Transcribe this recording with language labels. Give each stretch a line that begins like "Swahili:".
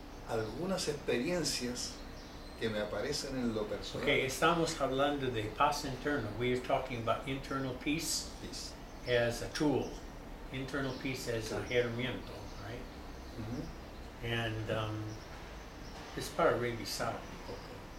Spanish: Algunas experiencias que me aparecen en lo personal. Okay, estamos hablando de paz interna.
English: We are talking about internal peace, peace as a tool. Internal peace as a herramienta, right?
Spanish: And es para revisar un poco.